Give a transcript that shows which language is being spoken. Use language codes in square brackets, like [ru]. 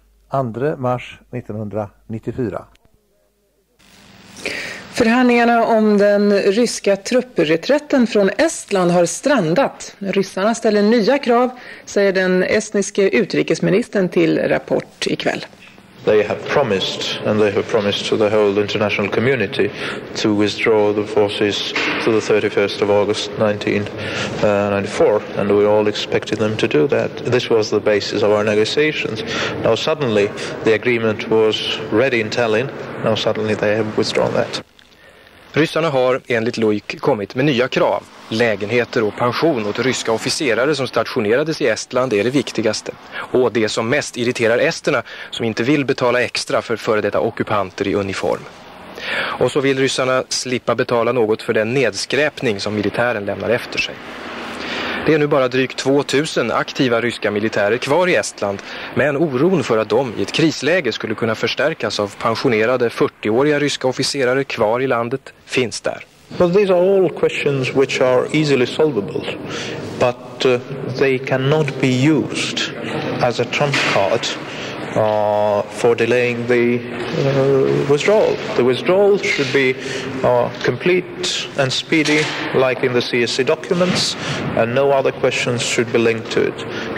[sv] 2 mars 1994. Förhandlingarna om den ryska truppreträtten från Estland har strandat. Ryssarna ställer nya krav, säger den estniske utrikesministern till Rapport ikväll. [en] They have promised, and they have promised to the whole international community, to withdraw the forces to the 31st of August 1994, and we all expected them to do that. This was the basis of our negotiations. Now suddenly the agreement was ready in Tallinn, now suddenly they have withdrawn that. [sv] Ryssarna har, enligt Loik, kommit med nya krav. Lägenheter och pension åt ryska officerare som stationerades i Estland är det viktigaste. Och det som mest irriterar esterna, som inte vill betala extra för före detta ockupanter i uniform. Och så vill ryssarna slippa betala något för den nedskräpning som militären lämnar efter sig. Det är nu bara drygt 2000 aktiva ryska militärer kvar i Estland, men oron för att de i ett krisläge skulle kunna förstärkas av pensionerade 40-åriga ryska officerare kvar i landet finns där. [en] But these are all questions which are easily solvable, but they cannot be used as a trump card for delaying the withdrawal. The withdrawal should be complete and speedy, like in the CSC documents, and no other questions should be linked to it.